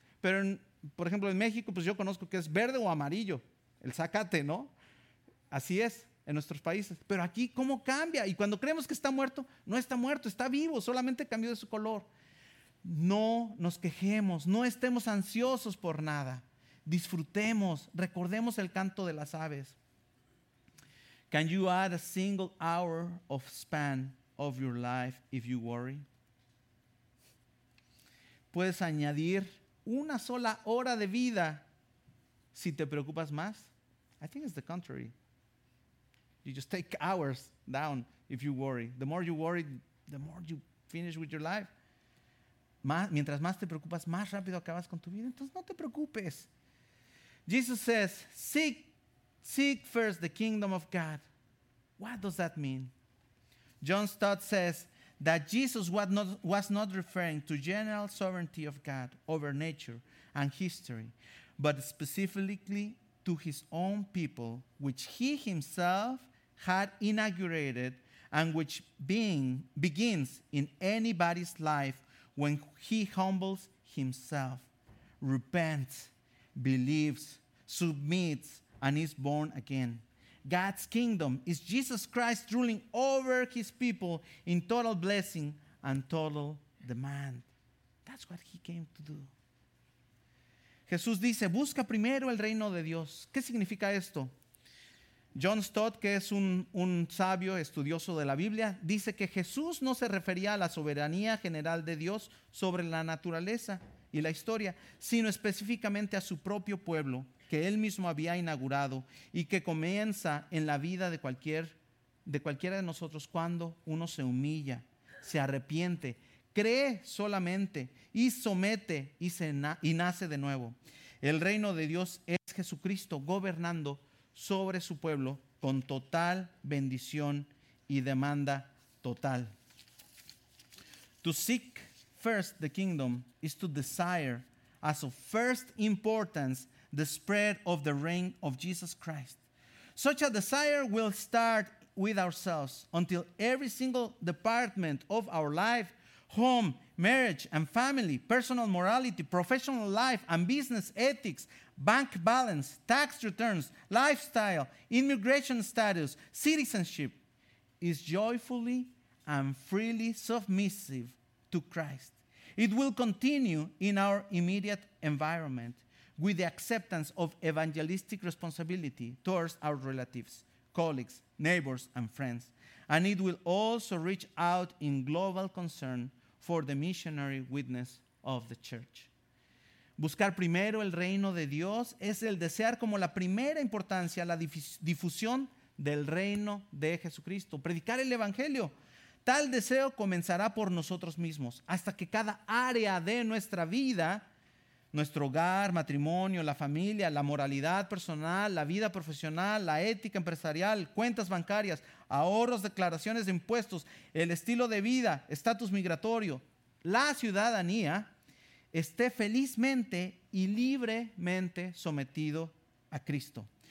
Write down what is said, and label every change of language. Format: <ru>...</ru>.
<es>Pero, por ejemplo, en México, pues yo conozco que es verde o amarillo. El zacate, ¿no? Así es en nuestros países. Pero aquí, ¿cómo cambia? Y cuando creemos que está muerto, no está muerto, está vivo, solamente cambió de su color. No nos quejemos, no estemos ansiosos por nada. Disfrutemos, recordemos el canto de las aves.</es> <en>Can you add a single hour of span of your life if you worry?</en> <es>¿Puedes añadir una sola hora de vida si te preocupas más?</es> <en>I think it's the contrary. You just take hours down if you worry. The more you worry, the more you finish with your life.</en> <es>Mientras más te preocupas, más rápido acabas con tu vida. Entonces, no te preocupes.</es> <en>Jesus says, seek first the kingdom of God. What does that mean? John Stott says that Jesus was not referring to general sovereignty of God over nature and history, but specifically to his own people, which he himself had inaugurated, and which begins in anybody's life when he humbles himself, repents, believes, submits, and is born again. God's kingdom is Jesus Christ ruling over his people in total blessing and total demand. That's what he came to do.</en> <es>Jesús dice, busca primero el reino de Dios. ¿Qué significa esto? John Stott, que es un sabio estudioso de la Biblia, dice que Jesús no se refería a la soberanía general de Dios sobre la naturaleza y la historia, sino específicamente a su propio pueblo, que él mismo había inaugurado y que comienza en la vida de cualquiera de nosotros cuando uno se humilla, se arrepiente, cree solamente y somete y nace de nuevo. El reino de Dios es Jesucristo gobernando sobre su pueblo con total bendición y demanda total.</es> <en>To seek first the kingdom is to desire as of first importance the spread of the reign of Jesus Christ. Such a desire will start with ourselves until every single department of our life, home, marriage and family, personal morality, professional life and business ethics, bank balance, tax returns, lifestyle, immigration status, citizenship, is joyfully and freely submissive to Christ. It will continue in our immediate environment with the acceptance of evangelistic responsibility towards our relatives, colleagues, neighbors, and friends. And it will also reach out in global concern for the missionary witness of the church.</en> <es>Buscar primero el reino de Dios es el desear como la primera importancia la difusión del reino de Jesucristo. Predicar el evangelio. Tal deseo comenzará por nosotros mismos hasta que cada área de nuestra vida, nuestro hogar, matrimonio, la familia, la moralidad personal, la vida profesional, la ética empresarial, cuentas bancarias, ahorros, declaraciones de impuestos, el estilo de vida, estatus migratorio, la ciudadanía, esté felizmente y libremente sometido a Cristo.</es>